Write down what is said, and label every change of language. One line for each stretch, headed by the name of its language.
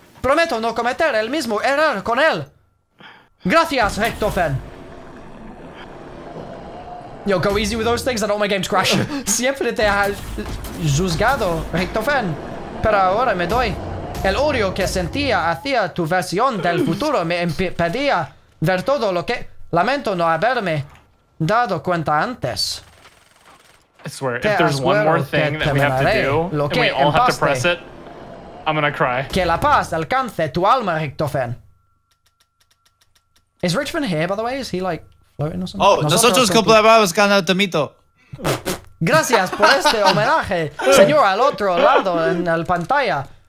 Spanish: Prometo no cometer el mismo error con él. Gracias, Richtofen.
English: Yo, go easy with those things, I don't want my game to crash.
Spanish: Siempre te has juzgado, Richtofen. Pero ahora me doy. El odio que sentía hacia tu versión del futuro me impedía ver todo lo que... Lamento no haberme dado cuenta antes.
English: I swear, if there's one more thing that we have to do, and we all have to press it, I'm gonna cry.
Spanish: Que la paz alcance tu alma, Richtofen.
English: Is Richtofen here, by the way? Is he like...
Spanish: Nosotros cumplimos con el temito. Gracias por este homenaje, señor, al otro lado en la pantalla.